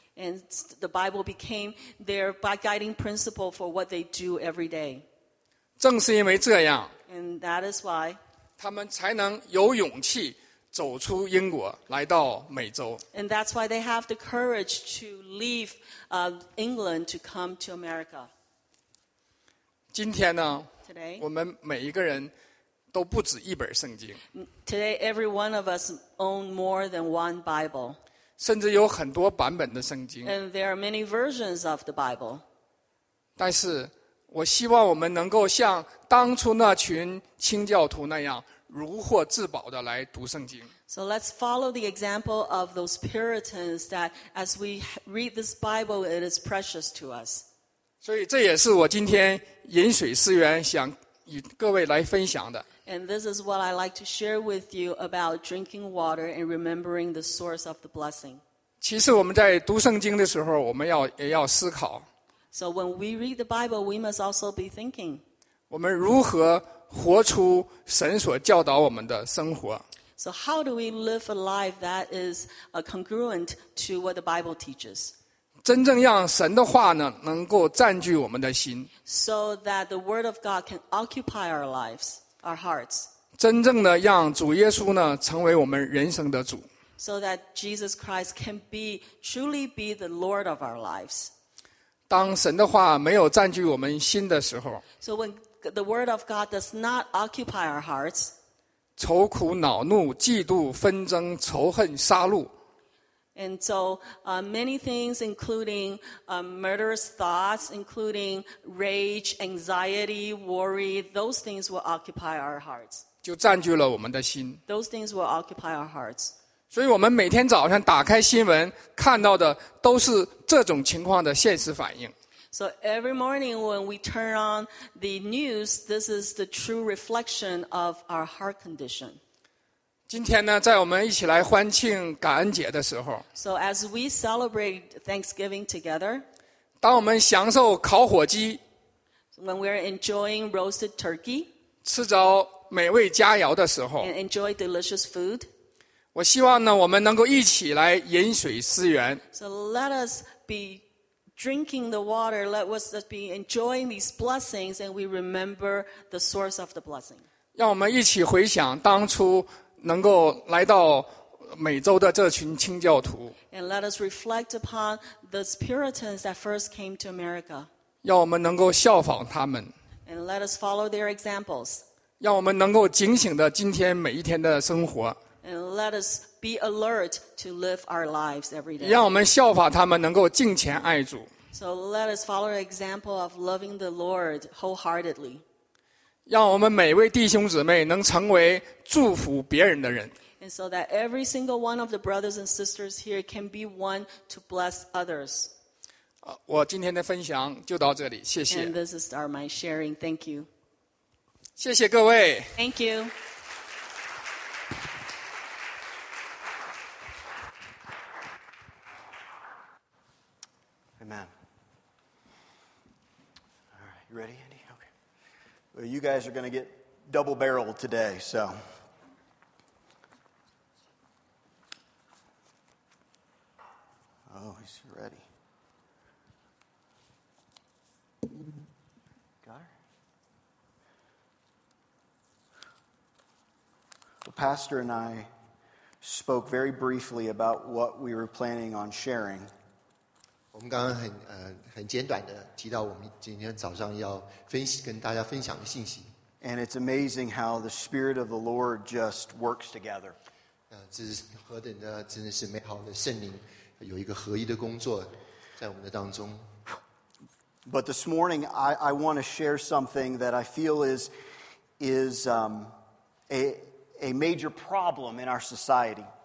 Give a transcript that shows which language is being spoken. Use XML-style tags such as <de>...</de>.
<en>And the Bible became their guiding principle for what they do every day.</en> <zh>正是因为这样。</zh> <en>And that is why.</en> <zh>他们才能有勇气走出英国来到美洲。</zh> <en>And that's why they have the courage to leave England to come to America.</en> <zh>今天呢</zh> <en>,Today,</en> <zh>我们每一个人都不止一本圣经。</zh> <en>Today, every one of us own more than one Bible.</en> <zh>甚至有很多版本的圣经。</zh> <en>And there are many versions of the Bible.</en> <zh>但是我希望我们能够像当初那群清教徒那样如获至宝的来读圣经。</zh> <en>So let's follow the example of those Puritans that as we read this Bible, it is precious to us.</en> <zh>所以这也是我今天饮水思源想与各位来分享的。</zh> <en>And this is what I like to share with you about drinking water and remembering the source of the blessing.</en> <zh>其实我们在读圣经的时候，我们也要思考。</zh> <en>So when we read the Bible, we must also be thinking.</en> <zh>我们如何活出神所教导我们的生活</zh> <en>？So how do we live a life that is congruent to what the Bible teaches?</en> <zh>真正让神的话呢，能够占据我们的心。</zh> <en>So that the Word of God can occupy our lives. Our hearts.</en> <zh>真正的让主耶稣呢成为我们人生的主。</zh> <en>So that Jesus Christ can be truly be the Lord of our lives.</en> <zh>当神的话没有占据我们心的时候。</zh> <en>So when the word of God does not occupy our hearts.</en> <zh>愁苦恼怒嫉妒纷争仇恨杀戮。</zh> <en>And so, many things including, murderous thoughts, including rage, anxiety, worry, those things will occupy our hearts.</en> <zh>就占据了我们的心。</zh> <en>Those things will occupy our hearts.</en> <zh>所以我们每天早上打开新闻看到的都是这种情况的现实反应。</zh> <en>So every morning when we turn on the news, this is the true reflection of our heart condition.</en> <zh>今天呢，在我们一起来欢庆感恩节的时候</zh> <en>，So as we celebrate Thanksgiving together，</en> <zh>当我们享受烤火鸡</zh> <en>，When we're enjoying roasted turkey，</en> <zh>吃着美味佳肴的时候</zh> <en>and enjoy delicious food.</en> <zh>我希望呢我们能够一起来饮水思源</zh> <en>So let us be drinking the water, let us be enjoying these blessings, and we remember the source of the blessing.</en> <zh>让我们一起回想当初能够来到美洲的这群清教徒</zh> <en>And let us reflect upon the Puritans that first came to America.</en> <zh>让我们能够效仿他们</zh> <en>And let us follow their examples.</en> <zh>让我们能够警醒的今天每一天的生活</zh> <en>And let us be alert to live our lives every day.</en> <zh>让我们效法他们能够敬虔爱主</zh> <en>So let us follow the example of loving the Lord wholeheartedly.</en> <zh>让我们每位弟兄姊妹能成为祝福别人的人</zh> <en>And so that every single one of the brothers and sisters here can be one to bless others.</en> <zh>我今天的分享就到这里，谢谢。</zh> <en>And this is our my sharing. Thank you.</en> <zh>谢谢各位。</zh> <en>Thank you. Amen. All right, you ready, Andy? Okay. Well, you guys are going to get double-barreled today, so... Oh, he's ready. Got her? The pastor and I spoke very briefly about what we were planning on sharing.</en> <zh>我们刚刚很简短的提到我们今天早上要分析跟大家分享的信息。</zh> <en>And it's amazing how the Spirit of the Lord just works together.</en> <zh>这是何等的，真的是美好的圣灵。有一个合一的工作在我们的当中。</zh> <en>But this morning, I want to share something that I feel is a major problem in our society.</en>